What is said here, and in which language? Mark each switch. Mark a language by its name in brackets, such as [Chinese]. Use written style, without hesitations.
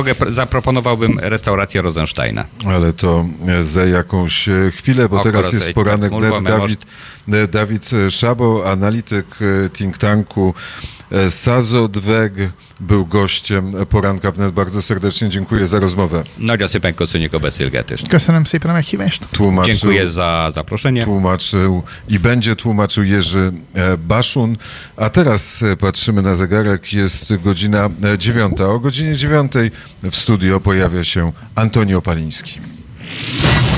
[Polish] Zaproponowałbym restaurację Rosensteina. Ale to za jakąś chwilę, bo teraz jest poranek. Dawid Szabo, analityk think tanku Sazo Dweg, był gościem poranka wnet. Bardzo serdecznie dziękuję za rozmowę. [Hungarian] Nagyon szépen köszönjük a beszélgetést. Köszönöm szépen a meghívást. [Polish] Dziękuję za zaproszenie. Tłumaczył i będzie tłumaczył Jerzy Baszun. A teraz patrzymy na zegarek. Jest godzina 9:00. O godzinie 9:00 w studio pojawia się Antonio Paliński.